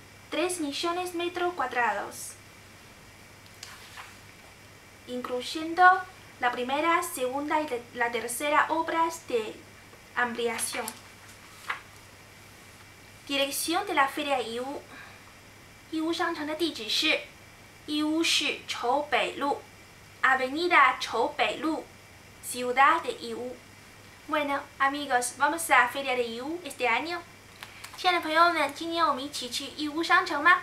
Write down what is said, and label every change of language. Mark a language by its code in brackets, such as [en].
[es] 3 millones de metros cuadrados. Incluyendo la primera, segunda y la tercera obras de ampliación. Dirección de la Feria IU. [zh] IU 商城的地址是 IU 市筹北路 [es] Avenida [zh] 筹北路 [es] Ciudad de IU. Bueno, amigos, vamos a Feria de IU este año. [zh] 亲爱的朋友们，今年我们一起去 IU 商城吗？ [es] Nos vemos ahí. [zh] 我们在那里见面吧。